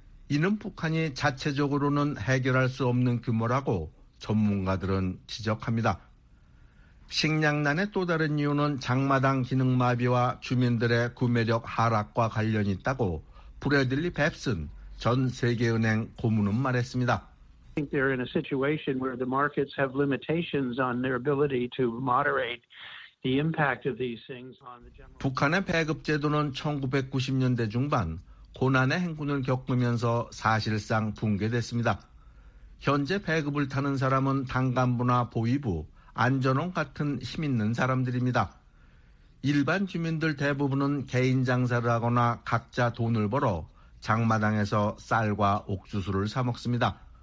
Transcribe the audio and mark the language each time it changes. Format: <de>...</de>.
<ko>이는 북한이 자체적으로는 해결할 수 없는 규모라고 전문가들은 지적합니다. 식량난의 또 다른 이유는 장마당 기능 마비와 주민들의 구매력 하락과 관련이 있다고 브래들리 뱁슨 전 세계은행 고문은 말했습니다.</ko> <en>I think they're in a situation where the markets have limitations on their ability to moderate the impact of these things on the general.</en> <ko>북한의 배급 제도는 1990년대 중반 고난의 행군을 겪으면서 사실상 붕괴됐습니다. 현재 배급을 타는 사람은 당 간부나 보위부, 안전원 같은 힘 있는 사람들입니다. 일반 주민들 대부분은 개인 장사를 하거나 각자 돈을 벌어 장마당에서 쌀과 옥수수를 사 먹습니다.</ko>